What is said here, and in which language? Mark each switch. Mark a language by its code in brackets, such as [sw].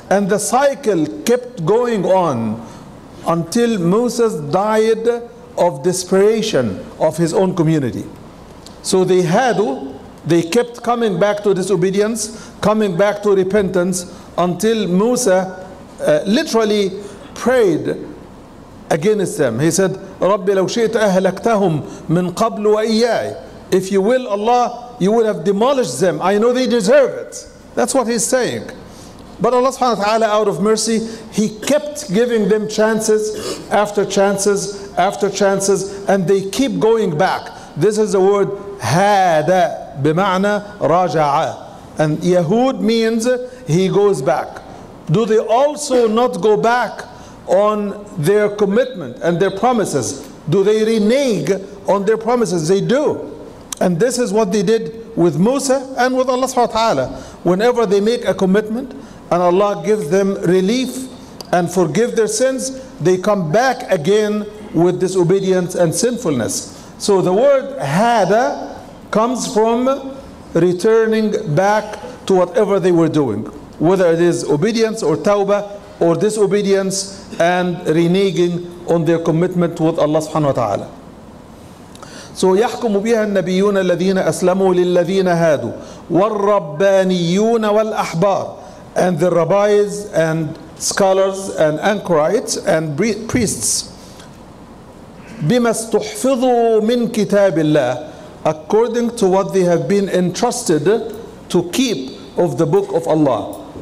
[en] And the cycle kept going on until Moses died of desperation of his own community. So they had, they kept coming back to disobedience, coming back to repentance, until Musa literally prayed against them. He said, [ar] Rabbi, لو شئت أهلكتهم من قبل وإياي. [en] If you will, Allah, you would have demolished them. I know they deserve it. That's what he's saying. But Allah subhanahu wa ta'ala, out of mercy, he kept giving them chances after chances after chances, and they keep going back. This is the word [ar] هادا بمعنى راجع. [en] And Yahud means he goes back. Do they also not go back on their commitment and their promises? Do they renege on their promises? They do. And this is what they did with Musa and with Allah subhanahu wa ta'ala. Whenever they make a commitment and Allah gives them relief and forgive their sins, they come back again with disobedience and sinfulness. So the word hada comes from returning back to whatever they were doing, whether it is obedience or tawbah or disobedience and reneging on their commitment with Allah subhanahu wa ta'ala. [ar] So يحكم بها النبيون الذين أسلموا للذين هادوا والربانيون والأحبار. [en] And the rabbis and scholars and anchorites and priests, [ar] بما استحفظوا من كتاب الله, [en] according to what they have been entrusted to keep of the book of Allah.